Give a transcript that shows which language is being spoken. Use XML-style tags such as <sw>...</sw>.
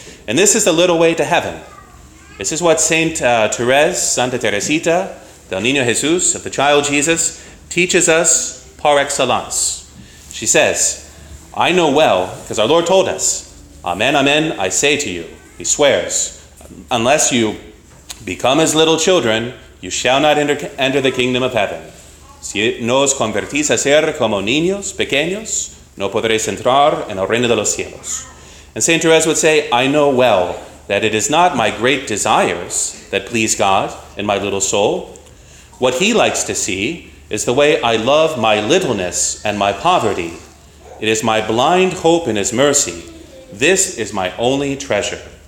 <en>And this is the little way to heaven. This is what Santa Teresita, del Niño Jesús, of the child Jesus, teaches us par excellence. She says, I know well, because our Lord told us, Amen, Amen, I say to you, he swears, unless you become as little children, you shall not enter the kingdom of heaven.</en> <es>Si no os convertís a ser como niños pequeños, no podréis entrar en el reino de los cielos.</es> <en>And Saint Therese would say, I know well that it is not my great desires that please God in my little soul. What he likes to see is the way I love my littleness and my poverty. It is my blind hope in his mercy. This is my only treasure.</en>